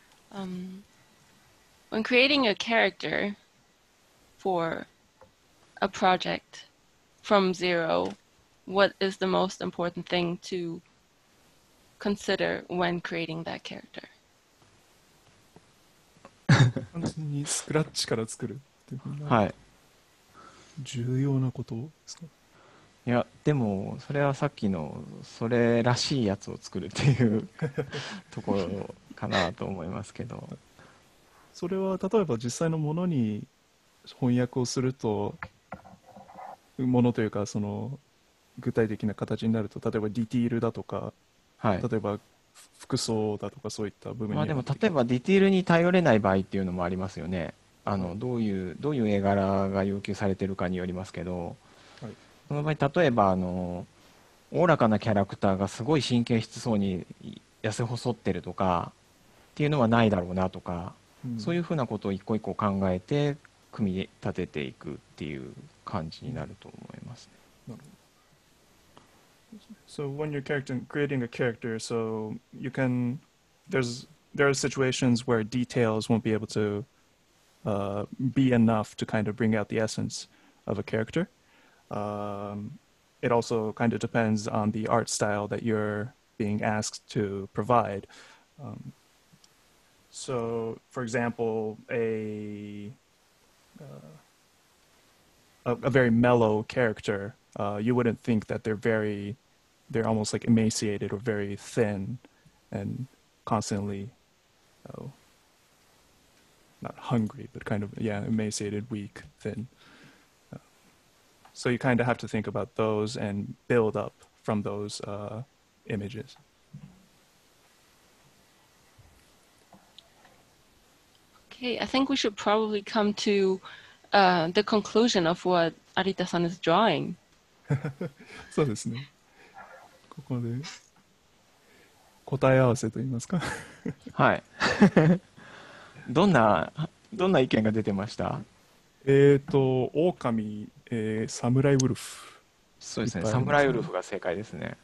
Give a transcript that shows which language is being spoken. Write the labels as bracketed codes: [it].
[en] When creating a character for a project from zero, what is the most important thing to consider when creating that character? [ja] スクラッチから作るっていうのは、はい、重要なことですか？いや、でもそれはさっきのそれらしいやつを作るっていうところかなと思いますけど、それは例えば実際のものに翻訳をするとものというかその具体的な形になると、例えばディティールだとか、はい、例えば服装だとかそういった部分に、まあ、でも例えばディティールに頼れない場合っていうのもありますよね。あのどういう絵柄が要求されてるかによりますけど、はい、その場合例えばあのおおらかなキャラクターがすごい神経質そうに痩せ細ってるとかっていうのはないだろうなとか、うん、そういうふうなことを一個一個考えて組み立てていくっていう感じになると思いますね。なるほど。 [en] So when you're creating a character, so you can, there are situations where details won't be able to be enough to kind of bring out the essence of a character. It also kind of depends on the art style that you're being asked to provide. So for example, a very mellow character, you wouldn't think that they're almost like emaciated or very thin and constantly not hungry, but kind of, yeah, emaciated, weak, thin. So you kind of have to think about those and build up from those images. Okay, I think we should probably come to the conclusion of what Arita-san is drawing. [ja] そうですね。ここで答え合わせといいますか。はい。どんな意見が出てました？狼、サムライウルフ。そうですね、サムライウルフが正解ですね。